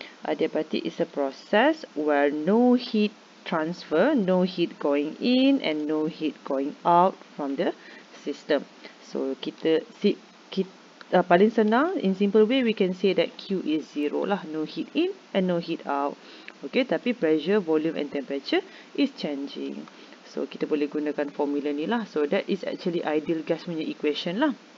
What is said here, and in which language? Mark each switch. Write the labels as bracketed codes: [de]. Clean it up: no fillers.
[en] Adiabatic is a process where no heat transfer, no heat going in and no heat going out from the system. So [ms] paling senang, [en] in simple way, we can say that Q is zero lah, no heat in and no heat out. Okay, tapi pressure, volume and temperature is changing. [ms] So, kita boleh gunakan formula ni lah. [en] So, that is actually ideal gas punya equation lah.